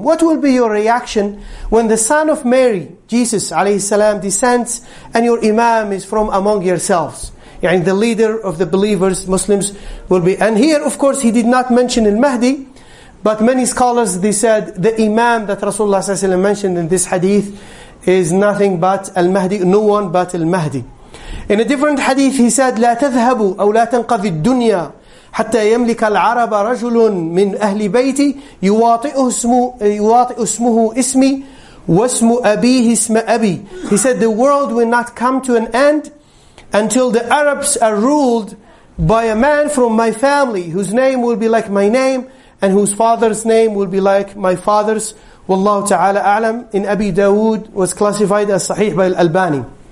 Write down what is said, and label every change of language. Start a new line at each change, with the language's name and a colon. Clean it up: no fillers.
English: What will be your reaction when the son of Mary, Jesus alayhi salam, descends and your imam is from among yourselves? And the leader of the believers, Muslims, will be. And here, of course, he did not mention al-Mahdi, but many scholars, they said, the imam that Rasulullah sallallahu alayhi wa sallam mentioned in this hadith is nothing but al-Mahdi, no one but al-Mahdi. In a different hadith, he said,
Arabic: لا تذهبوا أو لا تنقذوا الدنيا حتى يملك العرب رجل من أهل بيتي يواطئ اسمه اسمي واسم أبيه اسم أبي.
English: He said, the world will not come to an end until the Arabs are ruled by a man from my family, whose name will be like my name, and whose father's name will be like my father's. Wallahu ta'ala a'lam, in Abi Dawood, was classified as sahih by al-Albani.